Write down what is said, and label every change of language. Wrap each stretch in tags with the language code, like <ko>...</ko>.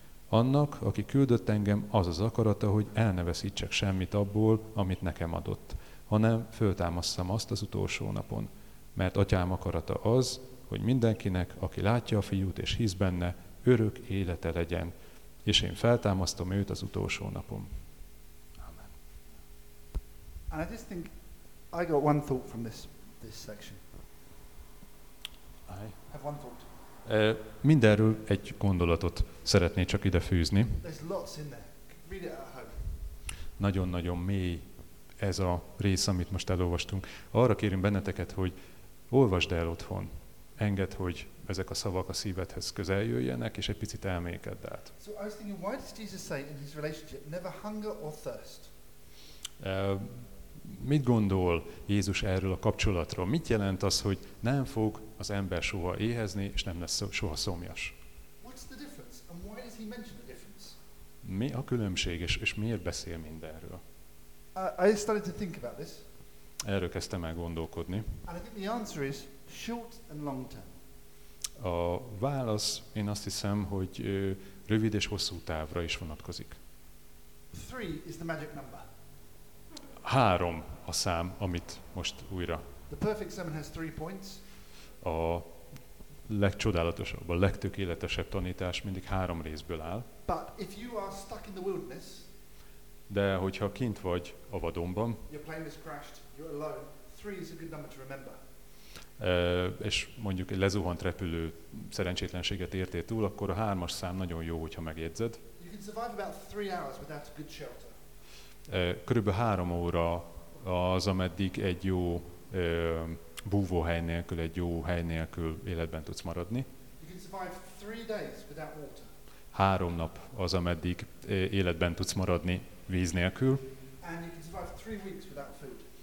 <hu>Annak, aki küldött engem, az az akarata, hogy el ne veszítsek semmit abból, amit nekem adott, hanem föltámasszam azt az utolsó napon. Mert Atyám akarata az, hogy mindenkinek, aki látja a fiút és hisz benne, örök élete legyen, és én feltámasztom őt az utolsó napon. Amen.</hu> <en>And I just think I got one thought from this section. I have one thought.</en> <hu>Mindenről egy gondolatot szeretnék csak ide fűzni.</hu> <en>There's lots in there. Read it at home.</en> <hu>Nagyon-nagyon mély ez a rész, amit most elolvastunk. Arra kérünk benneteket, hogy olvasd el otthon. Engedd, hogy ezek a szavak a szívedhez közel jöjjenek, és egy picit elmélkedd át.</hu> <en>So I was thinking, why does Jesus say in his relationship, never hunger or thirst?</en> <hu>Mit gondol Jézus erről a kapcsolatról? Mit jelent az, hogy nem fog az ember soha éhezni, és nem lesz soha szomjas?</hu> <en>What's the difference? And why does he mention the difference?</en> <hu>Mi a különbség, és miért beszél mindenről?</hu> <en>I started to think about this.</en> <hu>Erről kezdtem el gondolkodni.</hu> <en>And I think the answer is short and long term.</en> <hu>A válasz, én azt hiszem, hogy rövid és hosszú távra is vonatkozik.</hu> <en>3 is the magic number.</en> <hu>3 a szám, amit most újra.</hu> <en>The perfect sermon has 3 points.</en> <hu>A legcsodálatosabb, a legtökéletesebb tanítás mindig 3 részből áll.</hu> <en>But if you are stuck in the wilderness,</en> <hu>de hogyha kint vagy a vadonban,</hu> <en>your plane is crashed, you're alone, 3 is a good number to remember.</en> <hu>És mondjuk egy lezuhant repülő szerencsétlenséget értél túl, akkor a 3-as szám nagyon jó, hogyha megjegyzed.</hu> <en>You can survive about 3 hours without a good shelter.</en> <hu>Körülbelül 3 óra az, ameddig egy jó búvóhely nélkül, egy jó hely nélkül életben tudsz maradni.</hu> <en>You can survive 3 days without water.</en> <hu>3 nap az, ameddig életben tudsz maradni víz nélkül.</hu> <en>And you can survive 3 weeks without food.</en>